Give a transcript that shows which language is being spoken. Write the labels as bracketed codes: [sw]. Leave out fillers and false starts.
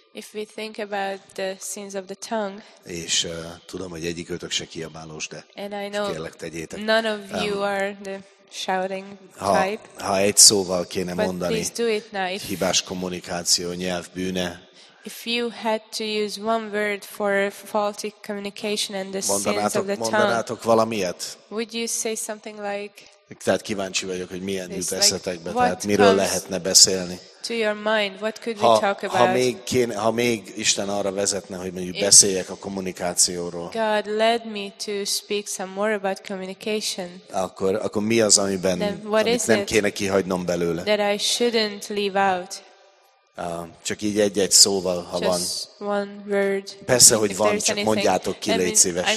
[en] If we think about the sins of the tongue. [hu] És tudom, hogy egyikőtök se kiabálós, de kérlek tegyétek. [en] None of you are the shouting type. [hu] Ha egy szóval kéne mondani. [en] But please do it now. [hu] Hibás kommunikáció, nyelv bűne. [en] If you had to use one word for faulty communication and the sins of the tongue. [hu] Mondanátok valamit? [en] Would you say something like [hu] Tehát kíváncsi vagyok, hogy milyen jut eszetekbe, tehát miről lehetne beszélni. [en] To your mind, what could we talk about? [hu] Ha még Isten arra vezetne, hogy mondjuk beszéljek a kommunikációról. [en] God led me to speak some more about communication. [hu] Akkor mi az, amiben nem kéne kihagynom belőle? [en] That I shouldn't leave out. [hu] Csak így egy-egy szóval, ha [en] just [hu] van. [en] One word. [hu] Persze, hogy van, csak mondjátok ki, légy szíves.